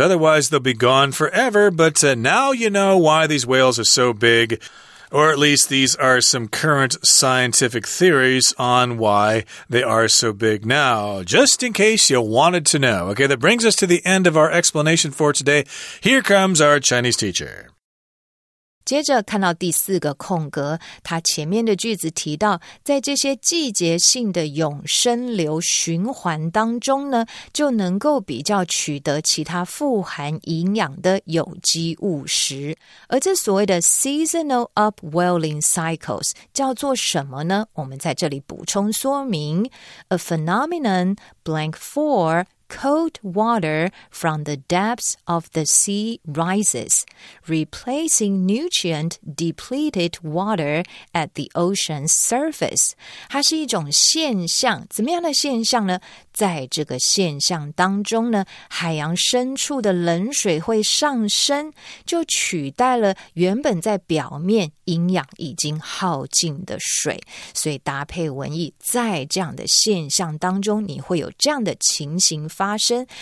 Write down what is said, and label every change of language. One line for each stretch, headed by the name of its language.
English: Otherwise, they'll be gone forever. But now you know why these whales are so big. Or at least these are some current scientific theories on why they are so big now, just in case you wanted to know. Okay, that brings us to the end of our explanation for today. Here comes our Chinese teacher.
Chinese: 接着看到第四个空格，它前面的句子提到，在这些季节性的永生流循环当中呢，就能够比较取得其他富含营养的有机物食。而这所谓的
English: seasonal upwelling cycles
Chinese: 叫做什么呢？我们在这里补充说明 ，
English: a phenomenon blank for。 Cold water from the depths of the sea rises, replacing nutrient-depleted water at the ocean's surface.
Chinese: 它是一种现象，怎么样的现象呢？在这个现象当中呢，海洋深处的冷水会上升，就取代了原本在表面营养已经耗尽的水。所以搭配文意，在这样的现象当中，你会有这样的情形发生。